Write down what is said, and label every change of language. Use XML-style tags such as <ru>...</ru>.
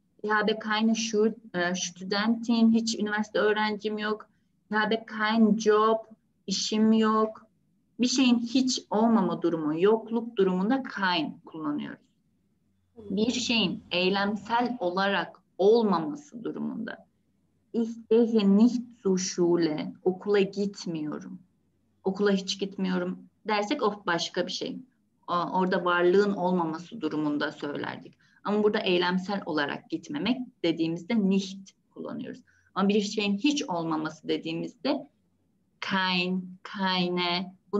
<de>Ich habe keine Studentin.</de> <tr>Hiç üniversite öğrencim yok.</tr> <de>Ich habe kein Job.</de> <tr>İşim yok. Bir şeyin hiç olmama durumu, yokluk durumunda kein kullanıyoruz. Bir şeyin eylemsel olarak olmaması durumunda.</tr> <de>Ich gehe nicht zur Schule.</de> <tr>Okula gitmiyorum. Okula hiç gitmiyorum dersek of başka bir şey. Orada varlığın olmaması durumunda söylerdik. Ama burada eylemsel olarak gitmemek dediğimizde nicht kullanıyoruz. Ama bir şeyin hiç olmaması dediğimizde keine.</tr>